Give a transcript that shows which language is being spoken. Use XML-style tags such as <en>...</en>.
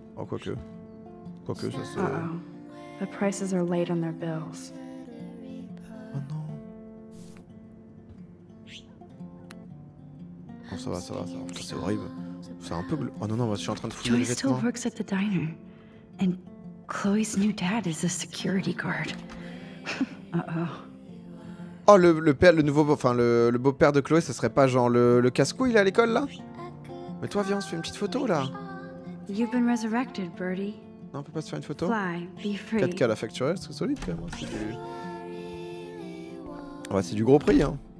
<fr>Oh, quoique. Quoique, ça se.</fr> <en>Uh-oh. The prices are late on their bills.</en> <fr>Oh non. Bon, ça va. C'est horrible. C'est un peu. Oh non, moi, je suis en train de fouiller les vêtements.</fr> <en>Joey still works at the diner. And Chloe's new dad is a security guard. Uh-oh.</en> <fr>Oh, le beau-père de Chloé, ça serait pas genre le casse-cou, il est à l'école là? Mais toi, viens, on se fait une petite photo là.</fr> <en>You've been resurrected, Birdie.</en> <fr>Non, on peut pas se faire une photo.</fr> <en>Fly, be free.</en> <fr>4K à la facture, c'est solide quand même. C'est du. Ouais, c'est du gros prix, hein.</fr>